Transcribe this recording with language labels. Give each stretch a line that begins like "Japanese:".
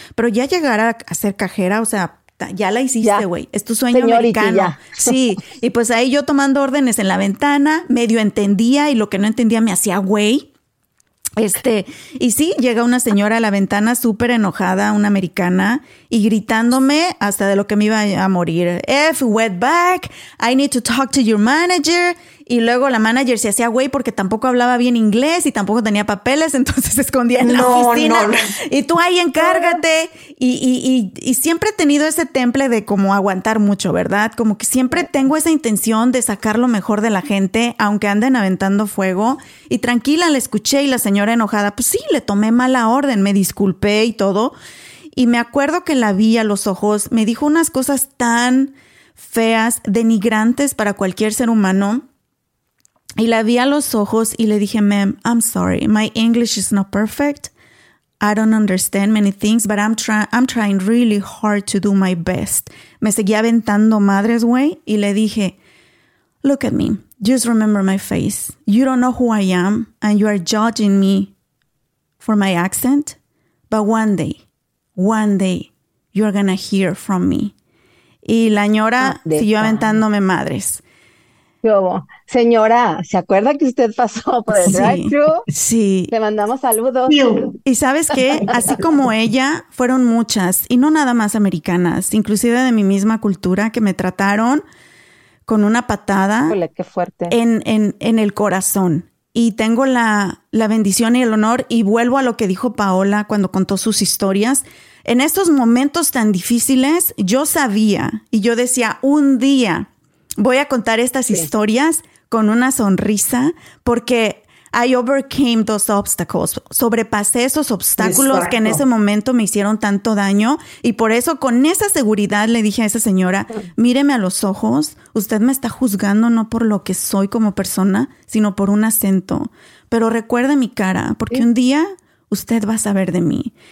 Spanish: Pero ya llegar a ser cajera, o sea, ya la hiciste, güey. Es tu sueño señorita, americano. Ya. Sí, y pues ahí yo tomando órdenes en la ventana, medio entendía y lo que no entendía me hacía güey. Y sí, llega una señora a la ventana súper enojada, una americana, y gritándome hasta de lo que me iba a morir.
English: F, went back, I need to talk to your manager.
Spanish: Y luego la manager se hacía güey porque tampoco hablaba bien inglés y tampoco tenía papeles, entonces se escondía en la oficina. No. Y tú ahí encárgate. Y siempre he tenido ese temple de como aguantar mucho, ¿verdad? Como que siempre tengo esa intención de sacar lo mejor de la gente, aunque anden aventando fuego. Y tranquila, la escuché y la señora enojada, pues sí, le tomé mala orden, me disculpé y todo. Y me acuerdo que la vi a los ojos, me dijo unas cosas tan feas, denigrantes para cualquier ser humano. Y la vi a los ojos y le dije,
English: ma'am, I'm sorry, my English is not perfect. I don't understand many things, but I'm trying really hard to do my best.
Spanish: Me seguía aventando madres, güey, y le dije,
English: look at me, just remember my face. You don't know who I am, and you are judging me for my accent, but one day, you're gonna hear from me.
Spanish: Y la ñora siguió aventándome madres. Señora, ¿se acuerda que usted pasó por el drive-thru? Sí. Le mandamos saludos. Y ¿sabes qué? Así como ella, fueron muchas, y no nada más americanas, inclusive de mi misma cultura, que me trataron con una patada. Híjole, qué fuerte. En el corazón. Y tengo la bendición y el honor, y vuelvo a lo que dijo Paola cuando contó sus historias. En estos momentos tan difíciles, yo sabía, y yo decía, un día... voy a contar estas historias con una sonrisa porque
English: I overcame those obstacles.
Spanish: Sobrepasé esos obstáculos. Exacto. Que en ese momento me hicieron tanto daño. Y por eso, con esa seguridad, le dije a esa señora, míreme a los ojos. Usted me está juzgando no por lo que soy como persona, sino por un acento. Pero recuerde mi cara, porque un día usted va a saber de mí.